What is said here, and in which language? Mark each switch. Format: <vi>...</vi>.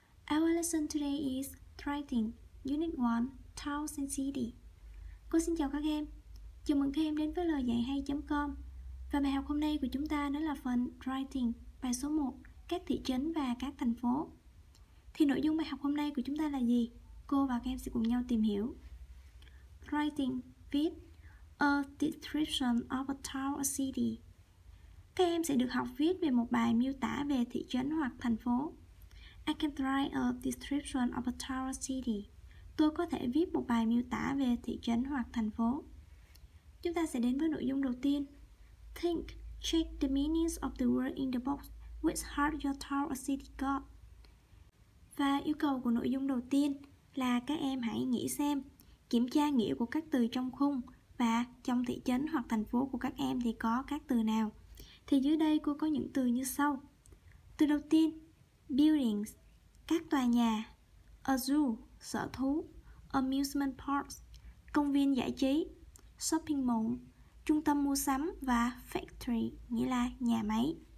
<en>Our lesson today is writing unit 1, towns and city.</en> <vi>Cô xin chào các em. Chào mừng các em đến với lehaihai.com. Và bài học hôm nay của chúng ta đó là phần writing, bài số 1, các thị trấn và các thành phố. Thì nội dung bài học hôm nay của chúng ta là gì? Cô và các em sẽ cùng nhau tìm hiểu.</vi> <en>Writing,</en> <vi>viết,</vi> <en>a description of a town or city.</en> <vi>Các em sẽ được học viết về một bài miêu tả về thị trấn hoặc thành phố.</vi> <en>I can write a description of a town or city.</en> <vi>Tôi có thể viết một bài miêu tả về thị trấn hoặc thành phố. Chúng ta sẽ đến với nội dung đầu tiên.</vi> <en>Think, check the meanings of the word in the box which heart your town or city got.</en> <vi>Và yêu cầu của nội dung đầu tiên là các em hãy nghĩ xem, kiểm tra nghĩa của các từ trong khung và trong thị trấn hoặc thành phố của các em thì có các từ nào. Thì dưới đây cô có những từ như sau. Từ đầu tiên, buildings, các tòa nhà,</vi> <en>a zoo,</en> <vi>sở thú,</vi> <en>amusement parks,</en> <vi>công viên giải trí,</vi> <en>shopping mall,</en> <vi>trung tâm mua sắm và factory, nghĩa là nhà máy.</vi>